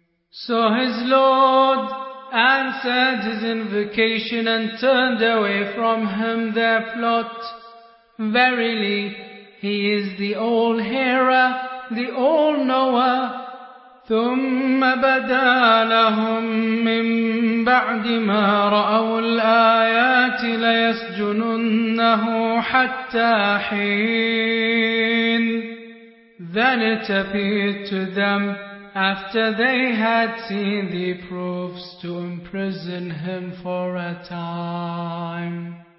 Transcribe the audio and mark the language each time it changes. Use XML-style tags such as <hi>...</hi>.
<en>So his Lord answered his invocation and turned away from him their plot. Verily, he is the all-hearer, the all-knower.</en> <ar>ثم بدا لهم من بعد ما رأوا الآيات ليسجننه حتى حين.</ar> <en>Then it appeared to them after they had seen the proofs to imprison him for a time.</en>